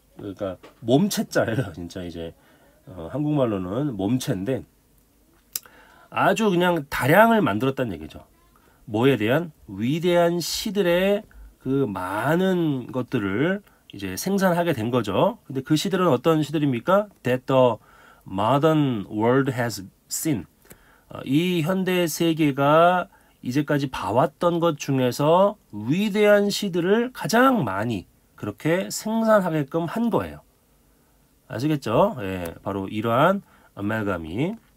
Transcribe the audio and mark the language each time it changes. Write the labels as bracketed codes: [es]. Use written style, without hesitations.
[ko] 그러니까 몸체자예요. 진짜 이제 한국말로는 몸체인데 아주 그냥 다량을 만들었다는 얘기죠. 뭐에 대한? 위대한 시들의 그 많은 것들을 이제 생산하게 된 거죠. 근데 그 시들은 어떤 시들입니까? [en] That the modern world has seen. [ko] 이 현대 세계가 이제까지 봐왔던 것 중에서 위대한 시들을 가장 많이 그렇게 생산하게끔 한 거예요. 아시겠죠? 예, 바로 이러한 amalgam이.